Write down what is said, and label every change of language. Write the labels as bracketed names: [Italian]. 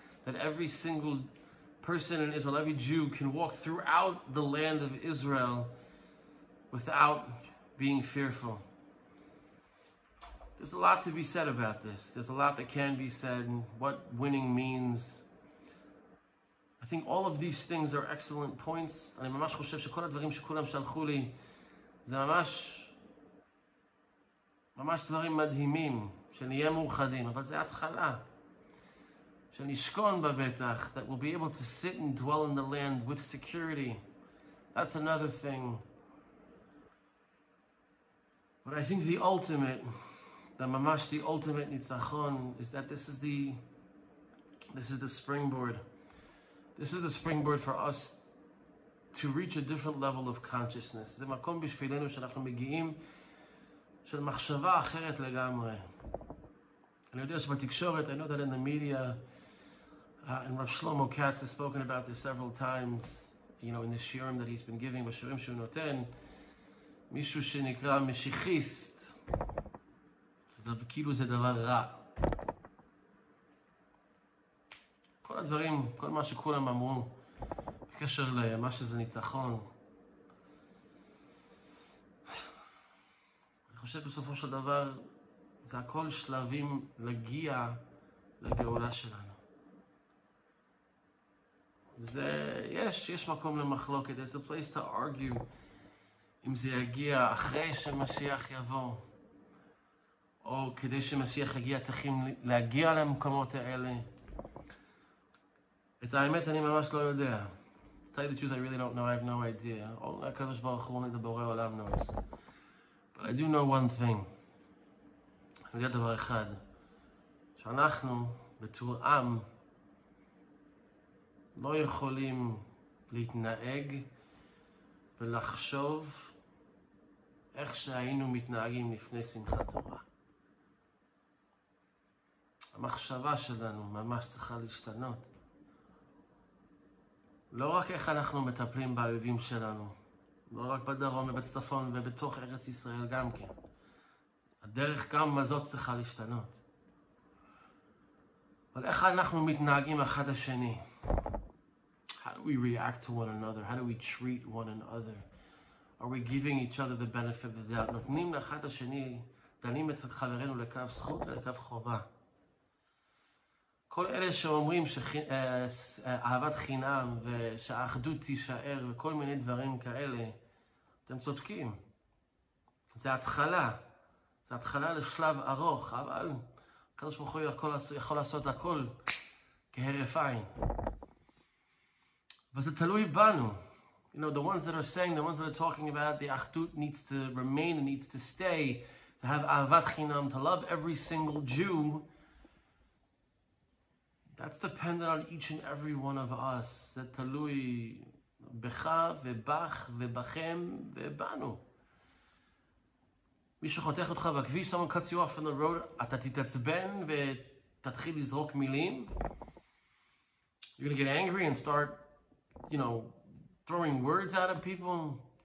[English] That every single person in Israel, every Jew, can walk throughout the land of Israel without being fearful. There's a lot to be said about this. There's a lot that can be said, and what winning means. I think all of these things are excellent points. [Hebrew] אני ממש חושב שכל הדברים שכולם שלחו לי זה ממש, ממש דברים מדהימים, שנהיה מאוחדים, אבל זה התחלה. [English] That we'll be able to sit and dwell in the land with security. That's another thing. But I think the ultimate nitzachon is that this is the springboard. This is the springboard for us to reach a different level of consciousness. [Hebrew] זה מקום בשבילנו שאנחנו מגיעים של מחשבה אחרת לגמרי. אני יודע שבתקשורת, [English] I know that in the media, and Rav Shlomo Katz has spoken about this several times, you know, in the shiurim that he's been giving, [Hebrew] בשיעורים שהוא נותן, מישהו שנקרא משיחיסט, כאילו זה דבר רע. כל הדברים, כל מה שכולם אמרו, בקשר למה שזה ניצחון, אני חושב בסופו של דבר, זה הכל שלבים להגיע לגאולה שלנו. זה, יש מקום למחלוקת. [English] There's a place to argue [Hebrew] אם זה יגיע אחרי שמשיח יבוא, או כדי שמשיח יגיע צריכים להגיע למקומות האלה. את האמת אני ממש לא יודע. [English] To tell you the truth, I really don't know. I have no idea. All [Hebrew] הקדוש ברוך הוא אני דבורי עולם נוס. [English] But I do know one thing. [Hebrew] אני יודע דבר אחד. שאנחנו בתור עם לא יכולים להתנהג ולחשוב איך שהיינו מתנהגים לפני שמחת תורה. המחשבה שלנו ממש צריכה להשתנות. לא רק איך אנחנו מטפלים באויבים שלנו, לא רק בדרום ובצפון ובתוך ארץ ישראל גם כן. הדרך גם הזאת צריכה להשתנות. אבל איך אנחנו מתנהגים אחד השני? [English] How do we react to one another? How do we treat one another? are we giving each other the benefit of the doubt? [Hebrew] נותנים לאחד השני, דנים את חברינו לקו זכות ולקו חובה. כל אלה שאומרים שאהבת חינם ושהאחדות תישאר וכל מיני דברים כאלה, אתם צודקים. זה התחלה. זה התחלה לשלב ארוך, אבל הקדוש ברוך הוא יכול לעשות הכל כהרף עין. וזה תלוי בנו. [English] You know, the ones that are saying, the ones that are talking about the achdut needs to remain and needs to stay, to have ahavat chinam, to love every single Jew, that's dependent on each and every one of us. [Hebrew] זה תלוי בך ובך ובכם ובנו. מי שחותך אותך בכביש, [English] someone cuts you off on the road, [Hebrew] אתה תתעצבן ותתחיל לזרוק מילים. [English] You're going to get angry and start, you know, throwing words out of people.